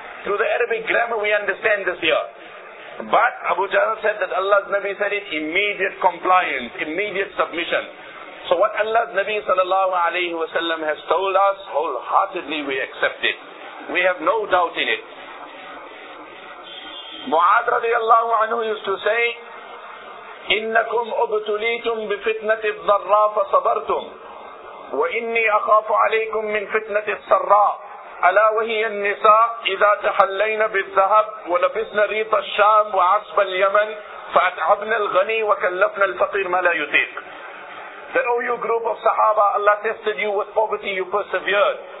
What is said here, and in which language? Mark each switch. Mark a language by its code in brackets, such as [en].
[en] Through the Arabic grammar, we understand this here. But Abu Jahl said that Allah's Nabi said it, immediate compliance, immediate submission. So what Allah's Nabi sallallahu alayhi wa sallam has told us, wholeheartedly we accept it. We have no doubt in it. Mu'adh radiallahu anhu used to say, [ar] إِنَّكُمْ أُبْتُلِيتُمْ بِفِتْنَةِ الضَّرَّى فَصَبَرْتُمْ وَإِنِّي أَخَافُ عَلَيْكُمْ مِنْ فِتْنَةِ السَّرَّى ألا وهي النساء إذا تحلين بالذهب ولبسن ريط الشام وعصب اليمن فأتعبن الغني وكلفن الفقير ما لا يطيق. [en] Then, oh you group of Sahaba, Allah tested you with poverty, you persevered.